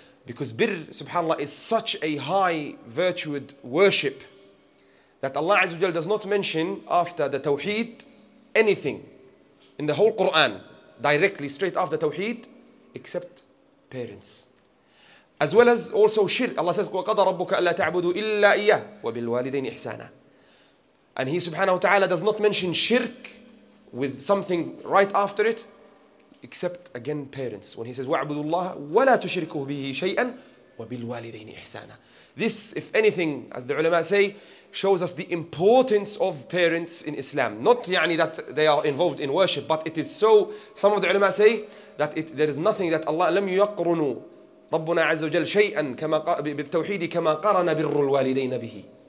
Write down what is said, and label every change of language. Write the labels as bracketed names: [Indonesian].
[English] Because birr, subhanAllah, is such a high virtued worship that Allah Azza wa Jal does not mention after the tawheed anything in the whole Quran directly straight after tawheed except parents. As well as also shirk. [Arabic] Allah says, وَقَدَ رَبُّكَ أَلَّا تَعْبُدُوا إِلَّا إِيَّهُ وَبِالْوَالِدَيْنِ إِحْسَانًا. [English] And he subhanahu wa ta'ala does not mention shirk with something right after it, except again parents. [Arabic] When he says, وَعْبُدُوا اللَّهَ وَلَا تُشِرِكُوا بِهِ شَيْئًا وَبِالْوَالِدَيْنِ إِحْسَانًا. [English] This, if anything, as the ulama say, shows us the importance of parents in Islam. Not يعني that they are involved in worship, but it is so, some of the ulama say, that there is nothing that Allah [Arabic] لم يقرنوا ربنا عز وجل شيئا كما بالتوحيد كما قرن بر الوالدين به.